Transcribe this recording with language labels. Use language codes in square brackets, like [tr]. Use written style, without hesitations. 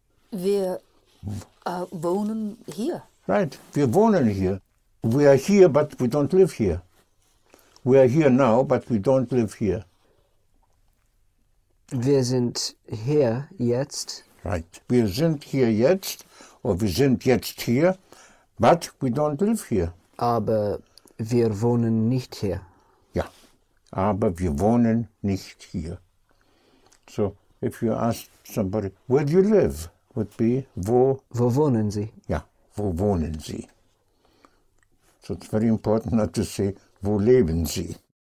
[de] Wir wohnen hier. [en] Right, [de] wir wohnen hier. [en] We are here, but we don't live here. We are here now, but we don't live here. [de] Wir sind hier jetzt. [en] Right. [de] Wir sind hier jetzt, or wir sind jetzt hier, [en] but we don't live here. [de] Aber wir wohnen nicht hier. Ja. Aber wir wohnen nicht hier. [en] So, if you ask somebody, where do you live? Would be, wo [de] wohnen Sie? Ja, wo wohnen Sie? [en] So it's very important not to say, [de] wo leben Sie?